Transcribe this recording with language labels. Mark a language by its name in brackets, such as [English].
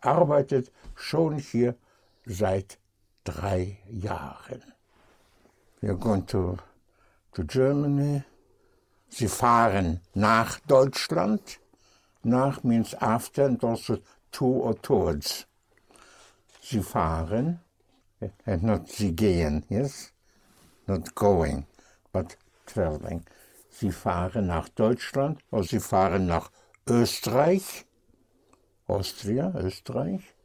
[German] Arbeitet schon hier seit 3 Jahren. [English] You're going to Germany. [German] Sie fahren nach Deutschland. [English] Nach means after and also to or towards. [German] Sie fahren. And not sie gehen, yes? [English] Not going, but traveling. [German] Sie fahren nach Deutschland, or sie fahren nach Österreich, Austria, Österreich.